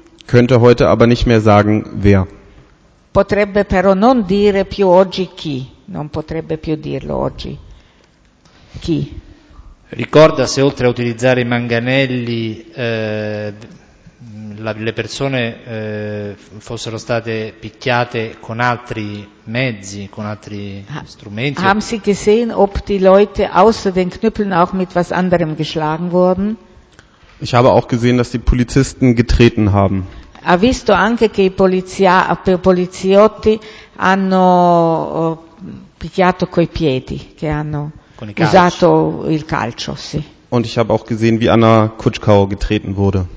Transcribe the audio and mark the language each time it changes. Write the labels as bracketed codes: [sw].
[de] Könnte heute aber nicht mehr sagen, wer. [it] Potrebbe però non dire più oggi chi. Non potrebbe più dirlo oggi. Chi? Ricorda se oltre a utilizzare i manganelli le persone fossero state picchiate con altri mezzi, con altri strumenti. [de] Haben Sie gesehen, ob die Leute außer den Knüppeln auch mit was anderem geschlagen wurden? Ich habe auch gesehen, dass die Polizisten getreten haben. [it] Ha visto anche che i poliziotti hanno picchiato coi piedi, che hanno usato il calcio, sì. [de] Und ich habe auch gesehen, wie Anna Kutschkau getreten wurde.